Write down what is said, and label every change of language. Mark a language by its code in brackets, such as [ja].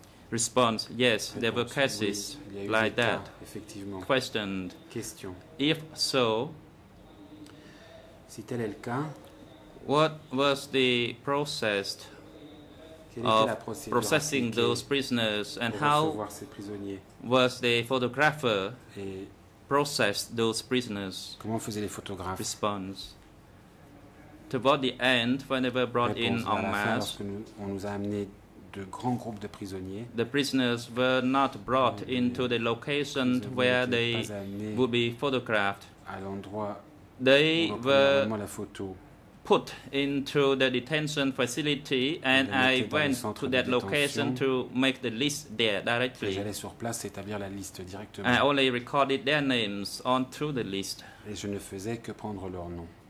[en] Response, yes, there were cases like that. Questioned, if so, what was the process of processing those prisoners, and how was the photographer processed those prisoners? [fr] Comment faisaient les photographes? [en] Response. Toward the end, when they were brought in en masse, [fr] on nous a amené de grands groupes de prisonniers. [en] The prisoners were not brought into the location where they would be photographed. [fr] À l'endroit, [en] they were [fr] la photo. [en] Put into the detention facility, and I went to that location to make the list there directly. [fr] J'allais sur place établir la liste directement. [en] I only recorded their names onto the list. [fr] Et je ne faisais que prendre leur nom.